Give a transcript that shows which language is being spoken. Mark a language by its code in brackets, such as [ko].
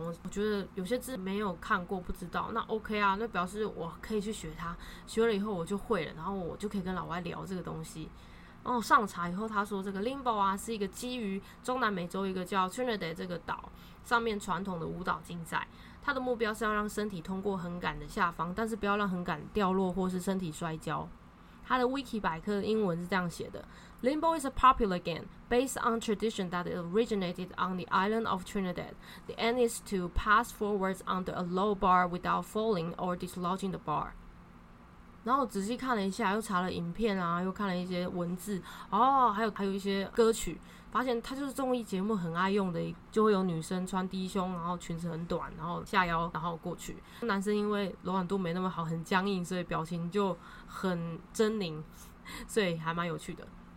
[zh] 我觉得有些字没有看过不知道，那 OK 啊，那表示我可以去学它，学了以后我就会了，然后我就可以跟老外聊这个东西。然后上查以后，他说这个 limbo 啊是一个基于中南美洲一个叫 Trinidad 这个岛上面传统的舞蹈竞赛，它的目标是要让身体通过横杆的下方，但是不要让横杆掉落或是身体摔跤。它的 wiki 百科的英文是这样写的。 [en] Limbo is a popular game based on tradition that originated on the island of Trinidad. The aim is to pass forwards under a low bar without falling or dislodging the bar. [zh] 然后我仔细看了一下，又查了影片啊，又看了一些文字，哦，还有一些歌曲，发现它就是综艺节目很爱用的，就会有女生穿低胸，然后裙子很短，然后下腰，然后过去。男生因为柔软度没那么好，很僵硬，所以表情就很狰狞，所以还蛮有趣的。